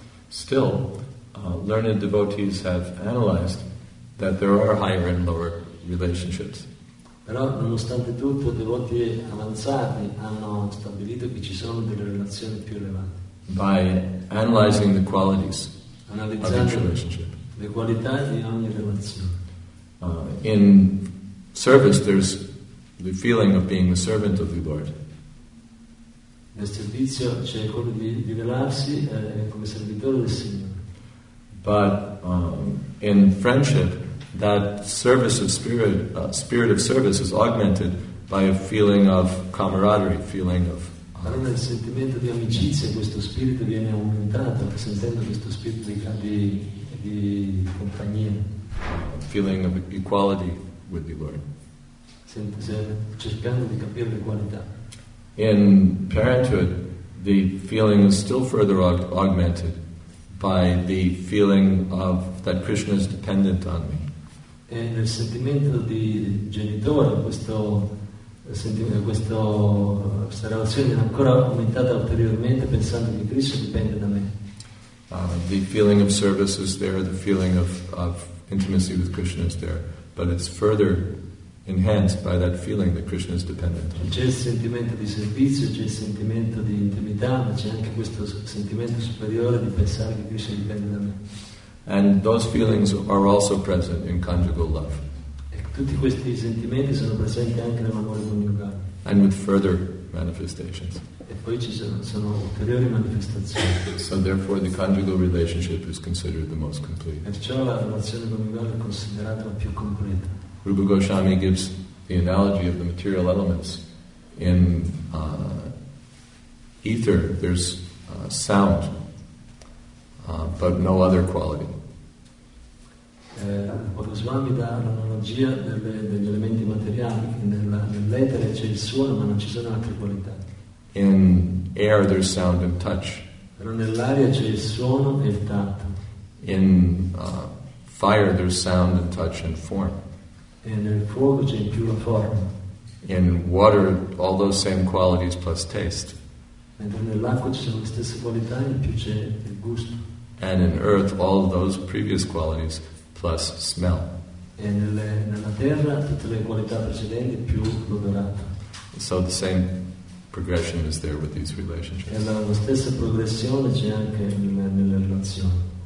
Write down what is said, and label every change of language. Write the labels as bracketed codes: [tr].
[en] Still, learned devotees have analyzed that there are higher and lower relationships. [it] Però, nonostante tutto, devoti avanzati hanno stabilito che ci sono delle relazioni più elevate. [en] By analyzing the qualities of each relationship. [it] Le qualità di ogni relazione. [en] In service, there's the feeling of being the servant of the Lord. [it] Nel servizio c'è quello di rivelarsi come servitore del Signore. [en] But in friendship, that service of spirit, spirit of service, is augmented by a feeling of camaraderie, feeling of. [it] Però nel sentimento di amicizia questo spirito viene aumentato sentendo questo spirito di compagnia. [en] Feeling of equality with the Lord. [it] Cercando di capire le qualità. [en] In parenthood, the feeling is still further augmented by the feeling of that Krishna is dependent on me. [it] E nel sentimento di genitore, questa relazione è ancora aumentata ulteriormente pensando che Krishna dipende da me. [en] The feeling of service is there, the feeling of intimacy with Krishna is there, but it's further enhanced by that feeling that Krishna is dependent on. [it] C'è il sentimento di servizio, c'è il sentimento di intimità, ma c'è anche questo sentimento superiore di pensare che Krishna dipende da me. [en] And those feelings are also present in conjugal love. [it] E tutti questi sentimenti sono presenti anche nell'amore coniugale. [en] And with further manifestations. [it] E poi ci sono ulteriori manifestazioni. [en] So therefore the conjugal relationship is considered the most complete. [it] Perciò la relazione coniugale è considerata la più completa. [en] Rupa Goswami gives the analogy of the material elements. In ether, there's sound, but no other quality. [it] Goswami dà l'analogia degli elementi materiali. Nell'etere c'è il suono, ma non ci sono altre qualità. [en] In air, there's sound and touch. [it] Però nell'aria c'è il suono e il tatto. [en] In fire, there's sound and touch and form. [it] Nel fuoco c'è più la forma. [en] In water, all those same qualities plus taste. [it] Mentre nell'acqua ci sono le stesse qualità e più c'è il gusto. [en] And in earth, all those previous qualities plus smell. [it] E nella terra tutte le qualità precedenti più l'odorato. [en] So the same progression is there with these relationships. [it] E la stessa progressione c'è anche nelle relazioni.